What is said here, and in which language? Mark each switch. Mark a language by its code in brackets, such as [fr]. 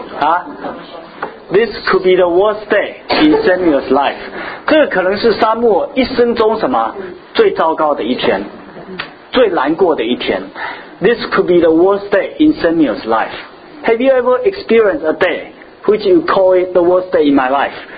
[zh] 不成钢。啊 [en] ，This could be the worst day in Samuel's life. [zh] 这可能是沙漠一生中什么最糟糕的一天，最难过的一天。 [en] This could be the worst day in Samuel's life. Have you ever experienced a day which you call it the worst day in my life?